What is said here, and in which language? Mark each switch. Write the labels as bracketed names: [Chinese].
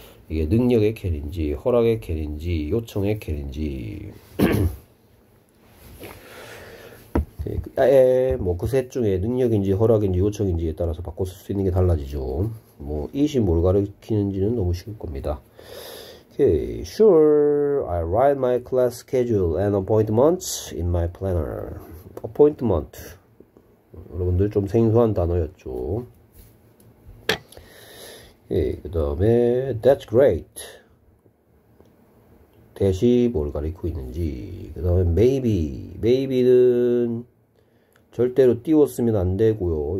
[Korean] 이게 능력의 can인지 허락의 can인지 요청의 can인지. 예, 뭐그셋 중에 능력인지 허락인지 요청인지에 따라서 바꿔 쓸수 있는 게 달라지죠. 뭐 이시 뭘 가리키는지는 너무 쉬울 겁니다. [English] Okay, sure. I write my class schedule and appointments in my planner. Appointment. [Korean] 여러분들 좀 생소한 단어였죠. 예, 그 다음에 [English] that's great. [Korean] 대시 뭘 가리키고 있는지. 그 다음에 maybe. maybe는 절대로 띄웠으면 안 되고요.